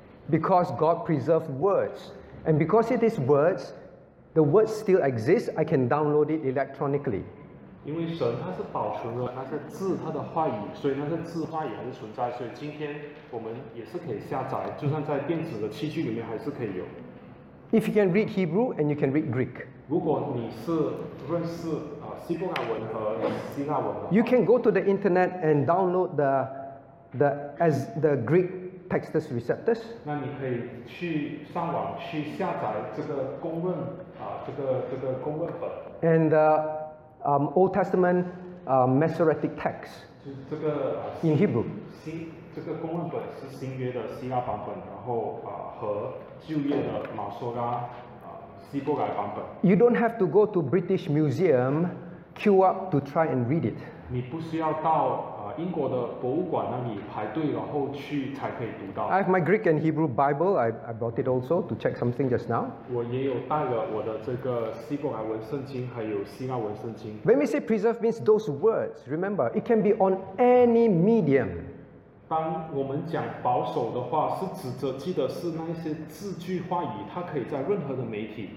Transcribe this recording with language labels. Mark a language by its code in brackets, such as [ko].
[en] Because God preserved words, and because it is words, the words still exist. I can download it electronically. [zh] 因为神他是保存了那些字，他的话语，所以那些字话语还是存在。所以今天我们也是可以下载，就算在电子的器具里面还是可以有。 [en] If you can read Hebrew and you can read Greek, [zh] 如果你是认识希伯来文和希腊文的话 [en] ，You can go to the internet and download as the Greek. Textus receptus. [zh] 那你可以去上网去下载这个公论这个公论本。 [en] And Old Testament Masoretic text. [zh] 这个 [en] in Hebrew. [zh] 这个公论本是新约的希腊版本，然后和旧约的马索拉希伯来版本。 [en] You don't have to go to British Museum, queue up to try and read it. [zh] 你不需要到。英国的博物馆那里排队，然后去才可以读到。 [en] I have my Greek and Hebrew Bible. I brought it also to check something just now. [zh] 我也有带了我的这个希伯来文圣经，还有希腊文圣经。 [en] When we say preserve means those words, remember it can be on any medium. [zh] 当我们讲保守的话，是指着记得是那些字句话语，它可以在任何的媒体。